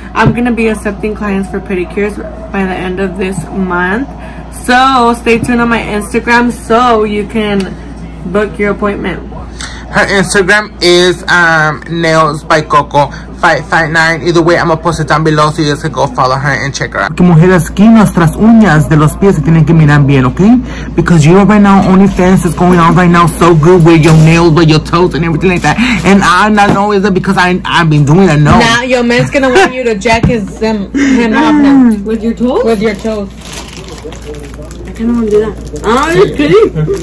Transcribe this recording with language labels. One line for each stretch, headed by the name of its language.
English: I'm going to be accepting clients for pedicures by the end of this month. So stay tuned on my Instagram so you can book your appointment. Her Instagram is Nails by Coco 559. Either way, I'm gonna post it down below so you guys can go follow her and check her out.
Spanish: Que mujeres aquí, nuestras uñas de los pies se tienen que mirar bien, okay?
English: Because you right now, OnlyFans is going on right now so good with your nails, with your toes and everything like that. And I not know is it because I've been doing it, no. Now your man's gonna want you to jack his him off now. With your toes? With your toes. I'm gonna do that.